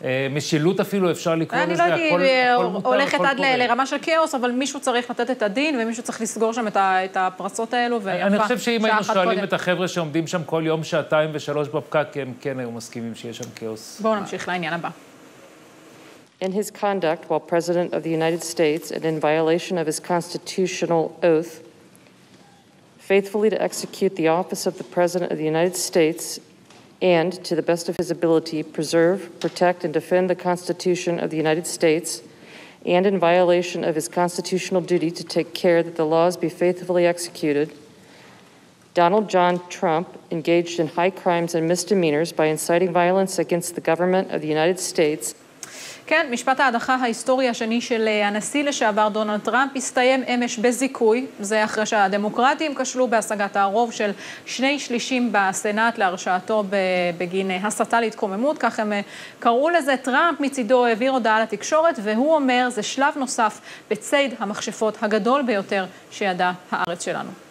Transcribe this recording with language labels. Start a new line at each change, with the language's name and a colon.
Hebrew: משילות אפילו אפשר לקרוא לזה, אני לא יודעת, הולכת עד לרמה של כאוס, אבל מישהו צריך לתת את הדין, ומישהו צריך לסגור שם את הפרצות האלו, ויפה. אני חושב שאם היינו שואלים את החבר'ה שעומדים שם כל יום שעתיים ושלוש בפקק, הם כן היו מסכימים שיש שם כאוס. בואו נמשיך לעניין הבא.
English: In his conduct while president of the United States and in violation of his constitutional oath, faithfully to execute the office of the president of the United States and to the best of his ability preserve, protect and defend the constitution of the United States and in violation of his constitutional duty to take care that the laws be faithfully executed, Donald John Trump engaged in high crimes and misdemeanors by inciting violence against the government of the United States.
Hebrew: כן, משפט ההדחה ההיסטורי השני של הנשיא לשעבר דונלד טראמפ הסתיים אמש בזיכוי, זה אחרי שהדמוקרטים כשלו בהשגת הרוב של שני שלישים בסנאט להרשעתו בגין הסתה להתקוממות, כך הם קראו לזה. טראמפ מצידו העביר הודעה לתקשורת והוא אומר, זה שלב נוסף בצד המכשפות הגדול ביותר שידע הארץ שלנו.